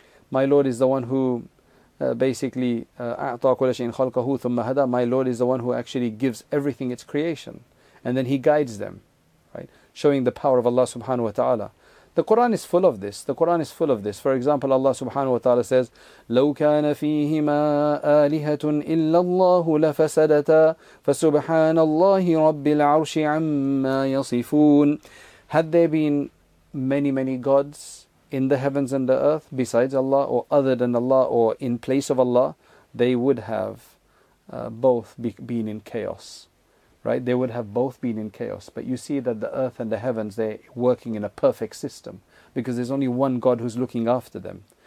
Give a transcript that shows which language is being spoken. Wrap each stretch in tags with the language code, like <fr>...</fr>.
<en>My Lord is the one who</en> <ar>أَعْطَى كُلَّ شَيْءٍ خَلَقَهُ ثُمَّ هَدَى.</ar> <en>My Lord is the one who actually gives everything its creation. And then He guides them, right? Showing the power of Allah subhanahu wa ta'ala. The Quran is full of this. The Quran is full of this. For example, Allah subhanahu wa ta'ala says,</en> <ar>لَوْ كَانَ فِيهِمَا آلِهَةٌ إِلَّا اللَّهُ لَفَسَدَتَا فَسُبْحَانَ اللَّهِ رَبِّ الْعَرْشِ عَمَّا يَصِفُونَ.</ar> <en>Had there been many, many gods in the heavens and the earth besides Allah or other than Allah or in place of Allah, they would have both been in chaos. Right, they would have both been in chaos. But you see that the earth and the heavens, they're working in a perfect system because there's only one God who's looking after them.</en>